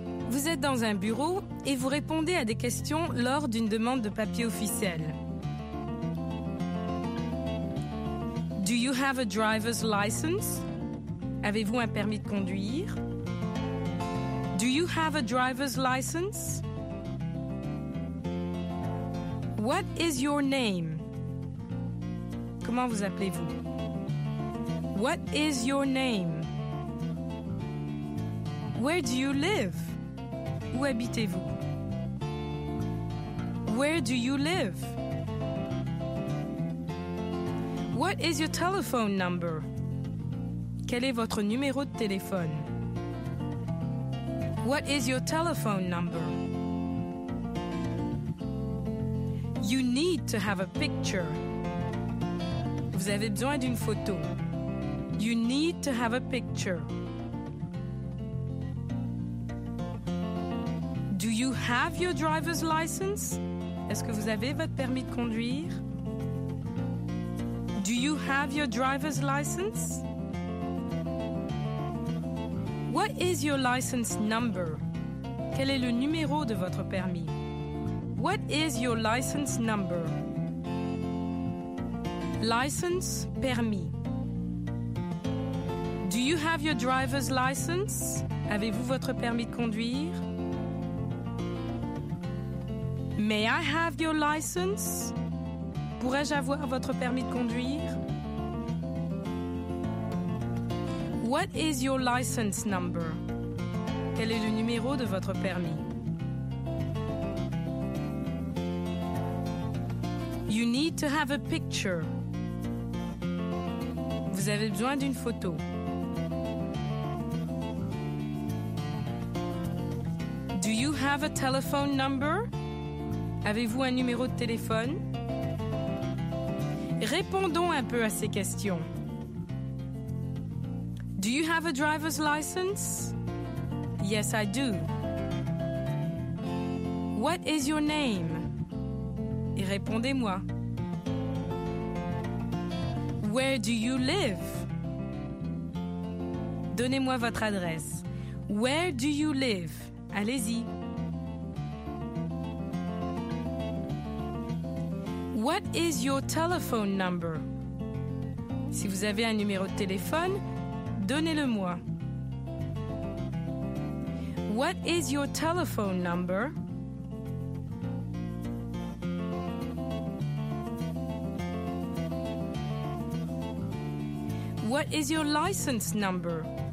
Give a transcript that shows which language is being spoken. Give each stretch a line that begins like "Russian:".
French: Vous êtes dans un bureau et vous répondez à des questions lors d'une demande de papier officiel.
English: Do you have a driver's license?
French: Avez-vous un permis de conduire?
English: Do you have a driver's license? What is your name?
French: Comment vous appelez-vous?
English: What is your name? Where do you live?
French: Où habitez-vous?
English: Where do you live? What is your telephone number?
French: Quel est votre numéro de téléphone?
English: What is your telephone number? You need to have a picture.
French: Vous avez besoin d'une photo.
English: You need to have a picture. Do you have your driver's license?
French: Est-ce que vous avez votre permis de conduire?
English: Do you have your driver's license? What is your license number?
French: Quel est le numéro de votre permis?
English: What is your license number? License, permis. Do you have your driver's license?
French: Avez-vous votre permis de conduire?
English: May I have your license?
French: Pourrais-je avoir votre permis de conduire?
English: What is your license number?
French: Quel est le numéro de votre permis?
English: You need to have a picture.
French: Vous avez besoin d'une photo.
English: Do you have a telephone number?
French: Avez-vous un numéro de téléphone? Répondons un peu à ces questions.
English: Do you have a driver's license? Yes, I do. What is your name?
French: Et répondez-moi.
English: Where do you live?
French: Donnez-moi votre adresse.
English: Where do you live?
French: Allez-y.
English: What is your telephone number?
French: Si vous avez un numéro de téléphone, donnez-le-moi.
English: What is your telephone number? What is your license number?